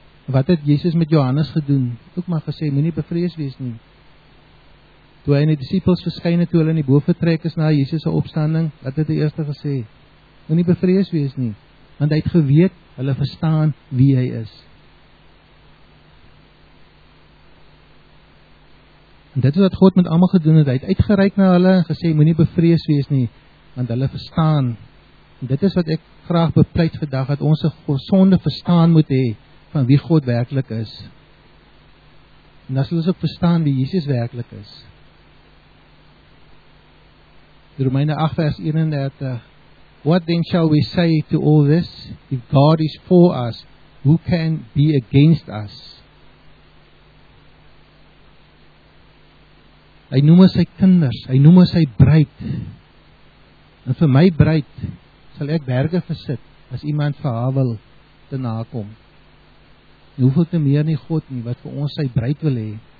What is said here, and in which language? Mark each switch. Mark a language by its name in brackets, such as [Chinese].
[Afrikaans] Wat het Jesus met Johannes gedoen? Ook maar gesê, moet nie bevrees wees nie. Toe hy in die disciples verskyn het, toe hulle in die boventrek is na Jesus' opstanding, wat het die eerste gesê? Moet nie bevrees wees nie. Want hy het geweet, hulle verstaan wie hy is. En dit is wat God met allemaal gedoen het. Hy het uitgereik na hulle en gesê, moet nie bevrees wees nie. Want hulle verstaan. En dit is wat ek graag bepleit vandag, dat ons 'n gesonde verstaan moet hê van wie God werklik is. En dan sal ons ook verstaan wie Jesus werkelijk is. Romeine 8 vers 31. [English] What then shall we say to all this? If God is for us, who can be against us? [Afrikaans] Hy noem ons sy kinders, hy noem ons sy bruid. En vir my bruid sal ek berge versit as iemand vir haar wil te nakom. En hoeveel te meer nie God nie, wat vir ons sy bruid wil hê.